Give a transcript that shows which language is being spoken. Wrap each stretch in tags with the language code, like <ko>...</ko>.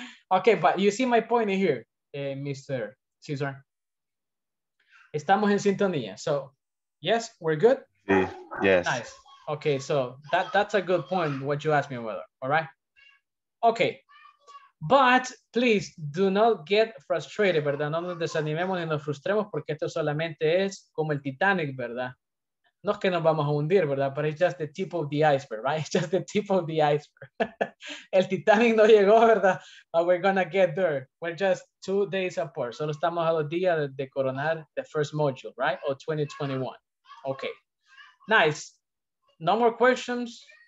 <en>Okay, but you see my point here, Mr. Cesar.</en> <es>Estamos en sintonía.</es> <en>So, yes, we're good? Sí, yes. Nice. Okay, so that's a good point, what you asked me about, all right? Okay, but please do not get frustrated, ¿verdad?</en> <es>No nos desanimemos ni nos frustremos porque esto solamente es como el Titanic, ¿verdad? No es que nos vamos a hundir, ¿verdad?</es> <en>But it's just the tip of the iceberg, right? It's just the tip of the iceberg.</en> <es>El Titanic no llegó,</es> <en>¿verdad? But we're gonna get there. We're just 2 days apart.</en> <es>Solo estamos a 2 días de coronar</es> <en>the first module, right? Or 2021. Okay, nice. No more questions.</en>